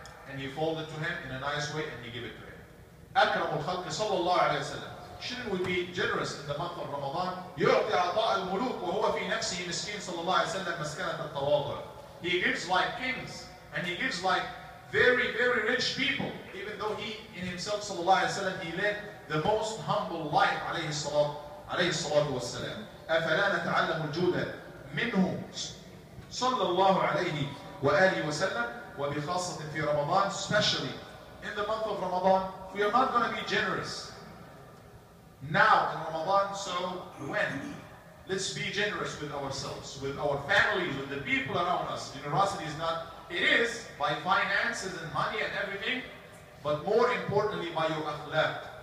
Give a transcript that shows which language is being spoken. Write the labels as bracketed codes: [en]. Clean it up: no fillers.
[en] And he folded to him in a nice way and he gave it to him. [ar] أكرم الخلق صلى الله عليه وسلم. [en] Shouldn't we be generous in the month of Ramadan? [ar] يعطي عطاء الملوك وهو في نفسه مسكين صلى الله عليه وسلم مسكنة التواضع. [en] He gives like kings and he gives like very very rich people, even though he in himself صلى الله عليه وسلم he led the most humble life عليه الصلاة والسلام. [ar] أفلا نتعلم الجود منه صلى الله عليه وآله وسلم. وبخاصة في رمضان [en] especially in the month of Ramadan we are not going to be generous now in Ramadan so when let's be generous with ourselves with our families with the people around us generosity is not it is by finances and money and everything but more importantly by your akhlaq